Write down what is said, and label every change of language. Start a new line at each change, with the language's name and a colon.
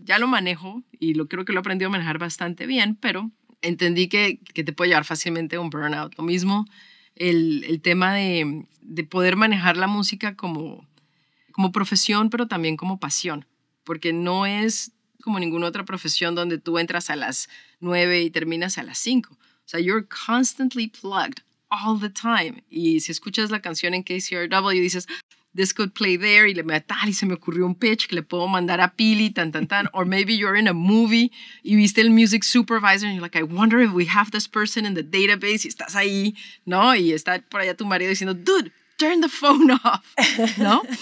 Spanish: Ya lo manejo y lo creo que lo he aprendido a manejar bastante bien, pero entendí que te puede llevar fácilmente a un burnout. Lo mismo el tema de poder manejar la música como profesión, pero también como pasión, porque no es como ninguna otra profesión donde tú entras a las 9 y terminas a las 5.
English: O sea, you're constantly plugged all the time.
Spanish: Y si escuchas la canción en KCRW, dices,
English: this could play there,
Spanish: y le meto tal, y se me ocurrió un pitch que le puedo mandar a Pili, tan, tan, tan.
English: Or maybe you're in a movie
Spanish: y viste el
English: music supervisor, and you're like, I wonder if we have this person in the database,
Spanish: y estás ahí, ¿no? Y está por allá tu marido diciendo,
English: dude, turn the phone off,
Spanish: ¿no?